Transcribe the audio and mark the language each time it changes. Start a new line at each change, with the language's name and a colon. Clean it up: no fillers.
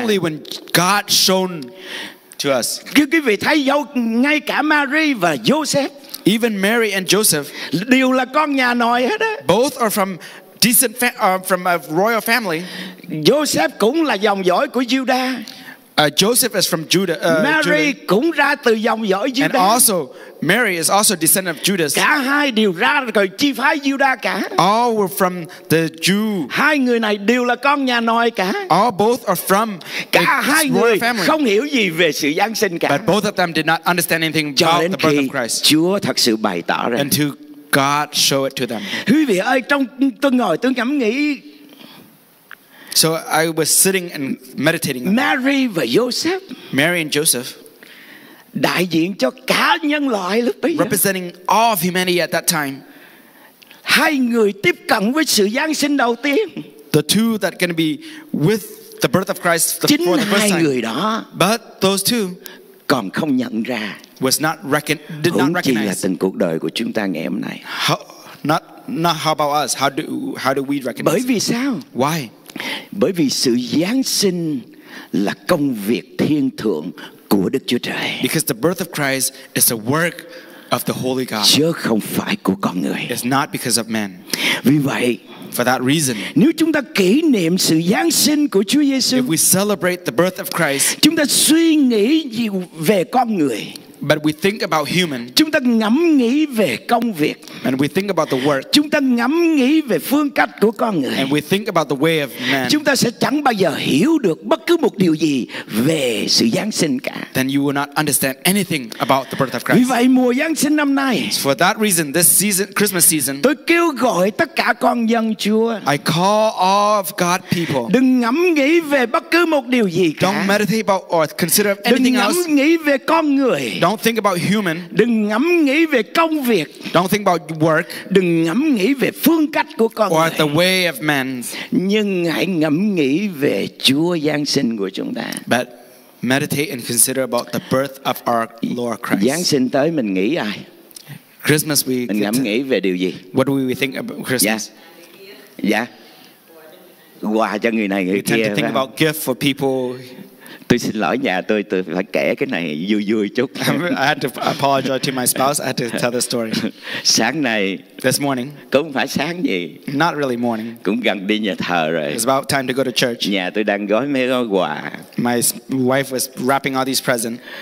English: Only when God shown to us.
Vietnamese: Quý vị thấy dấu ngay cả Mary và Joseph.
English: Even Mary and Joseph.
Vietnamese: Đều là con nhà nòi hết á.
English: Both are from decent from a royal family.
Vietnamese: Joseph cũng là dòng dõi của Judah.
English: Joseph is from Judah. Mary Judah.
Vietnamese: Cũng ra từ dòng dõi Judah.
English: And also, Mary is also descendant of Judas.
Vietnamese: Cả hai đều ra từ chi phái Judah cả.
English: All were from the Jew.
Vietnamese: Hai người này đều là con nhà nòi cả.
English: All both are from
Vietnamese: cả hai người không hiểu gì về sự giáng sinh cả.
English: But both of them did not understand anything
Vietnamese: cho
English: about the birth of Christ.
Vietnamese: Chúa thật sự bày tỏ ra.
English: And to God show it to them.
Vietnamese: Quý vị ơi, trong tôi ngồi tôi ngẫm nghĩ.
English: So I was sitting and meditating.
Vietnamese: Mary và Joseph.
English: Mary and Joseph.
Vietnamese: Đại diện cho cả nhân loại lúc bấy giờ.
English: Representing all of humanity at that time.
Vietnamese: Hai người tiếp cận với sự giáng sinh đầu tiên.
English: The two that are going to be with the birth of Christ for the first time.
Vietnamese: Chính hai người đó.
English: But those two.
Vietnamese: Còn không nhận ra.
English: Was not reckon, did
Vietnamese: không
English: not recognize.
Vietnamese: Chỉ là từng cuộc đời của chúng ta ngày hôm nay.
English: Not how about us? How do we recognize?
Vietnamese: Bởi vì sao?
English: Why?
Vietnamese: Bởi vì sự giáng sinh là công việc thiên thượng của Đức Chúa Trời.
English: Because the birth of Christ is a work of the Holy God.
Vietnamese: Chứ không phải của con người.
English: It's not because of man.
Vietnamese: Vì vậy,
English: for that reason,
Vietnamese: nếu chúng ta kỷ niệm sự giáng sinh của Chúa Giêsu,
English: if we celebrate the birth of Christ,
Vietnamese: chúng ta suy nghĩ gì về con người?
English: But we think about human.
Vietnamese: Chúng ta ngẫm nghĩ về công việc.
English: And we think about the work.
Vietnamese: Chúng ta ngẫm nghĩ về phương cách của con người.
English: And we think about the way of man.
Vietnamese: Chúng ta sẽ chẳng bao giờ hiểu được bất cứ một điều gì về sự Giáng sinh cả.
English: Then you will not understand anything about the birth of Christ.
Vietnamese: Vì vậy mùa Giáng sinh năm nay,
English: for that reason, this season, Christmas season,
Vietnamese: tôi kêu gọi tất cả con dân Chúa,
English: I call all of God people.
Vietnamese: Đừng ngẫm nghĩ về bất cứ một điều gì cả.
English: Don't meditate about or consider anything else.
Vietnamese: Đừng ngẫm nghĩ về con người.
English: Don't think about human.
Vietnamese: Đừng ngẫm nghĩ về công việc.
English: Don't think about work.
Vietnamese: Đừng ngẫm nghĩ về phương cách của con người.
English: Or the way of men.
Vietnamese: Nhưng hãy ngẫm nghĩ về Chúa Giáng sinh của chúng ta.
English: But meditate and consider about the birth of our Lord Christ.
Vietnamese: Giáng sinh tới mình nghĩ ai?
English: Christmas we.
Vietnamese: Mình ngẫm nghĩ về điều gì?
English: What do we think about Christmas? Yeah.
Vietnamese: Quà cho người này người kia.
English: We tend to think about gift for people.
Vietnamese: Tôi xin lỗi nhà tôi phải kể cái này vui vui chút.
English: I had to apologize to my spouse. I had to tell the story.
Vietnamese: Sáng nay.
English: This morning.
Vietnamese: Cũng phải sáng gì.
English: Not really morning.
Vietnamese: Cũng gần đi nhà thờ rồi.
English: It's about time to go to church.
Vietnamese: Nhà tôi đang gói mấy gói quà.
English: My wife was wrapping all these presents.